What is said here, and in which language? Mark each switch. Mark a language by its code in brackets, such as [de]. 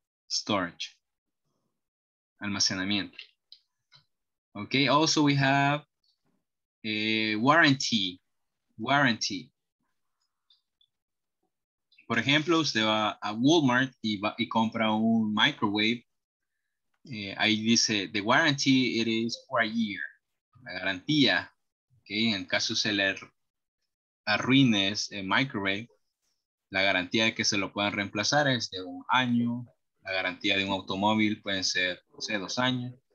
[en] Storage. Almacenamiento. Okay, also we have a warranty. Warranty. [es] Por ejemplo, usted va a Walmart y compra un microwave. Ahí dice, [en] the warranty it is for a year. [es] La garantía. Okay, en caso se le arruine el microwave, la garantía de que se lo puedan reemplazar es de un año. La garantía de un automóvil pueden ser, no sé, 2 años.